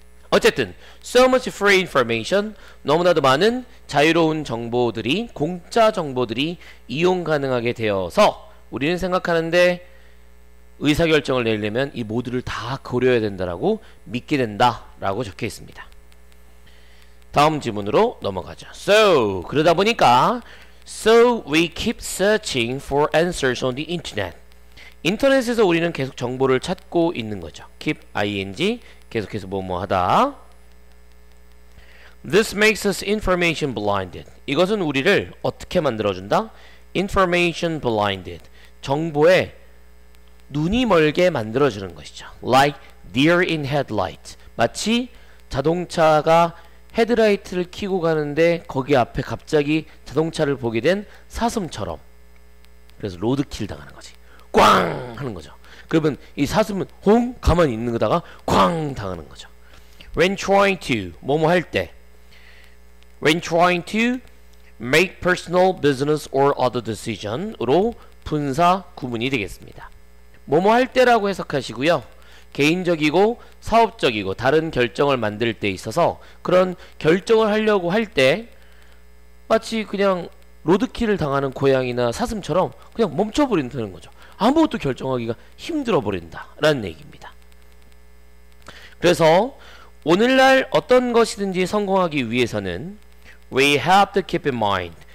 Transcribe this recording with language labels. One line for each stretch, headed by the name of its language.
Korean: 어쨌든
English: so much free information,
Korean: 너무나도 많은 자유로운 정보들이, 공짜 정보들이 이용 가능하게 되어서 우리는 생각하는데 의사결정을 내리려면 이 모두를 다 고려해야 된다라고 믿게 된다라고 적혀 있습니다. 다음 질문으로 넘어가죠.
English: So,
Korean: 그러다 보니까
English: So we keep searching for answers on the internet.
Korean: 인터넷에서 우리는 계속 정보를 찾고 있는 거죠. Keep ing, 계속해서 뭐뭐하다.
English: This makes us information blinded.
Korean: 이것은 우리를 어떻게 만들어준다?
English: Information blinded.
Korean: 정보에 눈이 멀게 만들어주는 것이죠.
English: Like deer in headlights.
Korean: 마치 자동차가 헤드라이트를 켜고 가는데 거기 앞에 갑자기 자동차를 보게 된 사슴처럼. 그래서 로드킬 당하는 거지. 꽝 하는 거죠. 그러면 이 사슴은 홍 가만히 있는 거다가 꽝 당하는 거죠.
English: When trying to
Korean: 뭐뭐 할 때,
English: When trying to make personal, business or other decision으로 분사 구문이 되겠습니다.
Korean: 뭐뭐 할 때라고 해석하시고요. 개인적이고 사업적이고 다른 결정을 만들 때 있어서 그런 결정을 하려고 할 때 마치 그냥 로드킬을 당하는 고양이나 사슴처럼 그냥 멈춰버린다는 거죠. 아무것도 결정하기가 힘들어 버린다라는 얘기입니다. 그래서 오늘날 어떤 것이든지 성공하기 위해서는
English: We have to keep in mind.